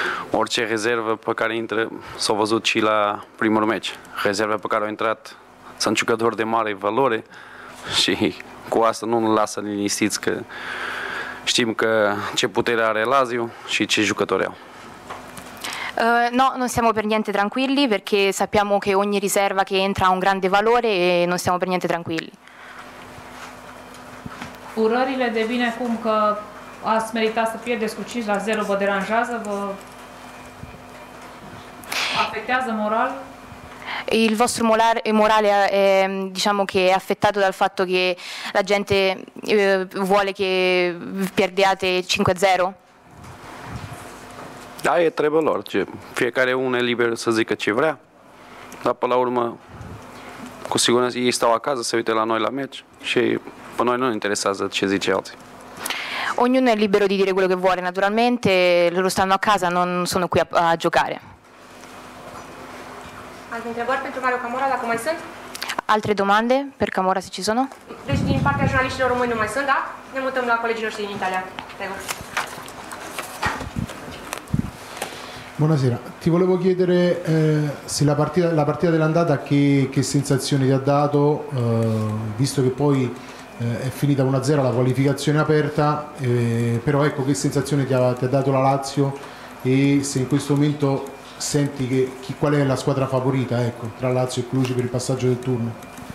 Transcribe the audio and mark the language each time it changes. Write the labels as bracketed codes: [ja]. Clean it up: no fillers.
[ro] Orice rezervă pe care intră s-a văzut și la primul meci. Rezervă pe care au intrat sunt jucători de mare valoare și cu asta nu ne lasă liniștiți că știm că ce putere are Lazio și ce jucători au. [it] No, non siamo per niente tranquilli perché sappiamo che ogni riserva che entra ha un grande valore e non siamo per niente tranquilli. [ro] Urările de bine cum că ați meritat să pierdeți cu 5-0 vă deranjează, vă afectează moral? [it] Il vostro morale è, diciamo che è affettato dal fatto che la gente vuole che perdiate 5-0? [ro] Da, e treaba lor. Fiecare [it] uno [ro] è libero să zică ce vrea, dar până la urmă, cu siguranță, ei stau acasă, se uită la noi la meci și pe noi nu ne interesează ce zice alții. [it] Ognuno è libero di dire quello che vuole, naturalmente, loro stanno a casa, non sono qui a giocare. [ro] Alte întrebări pentru Mario Camora, dacă mai sunt? [it] Alte domande per Camora, se ci sono? [ro] Deci din partea jurnaliștilor români nu mai sunt, da? Ne mutăm la colegii noștri din Italia. [it] Prego. Buonasera. Ti volevo chiedere se la partita dell'andata che sensazioni ti ha dato, visto che poi è finita 1-0 la qualificazione aperta, però ecco che sensazione ti ha dato la Lazio e se in questo momento senti che qual è la squadra favorita, ecco, tra Lazio e Cluj per il passaggio del turno.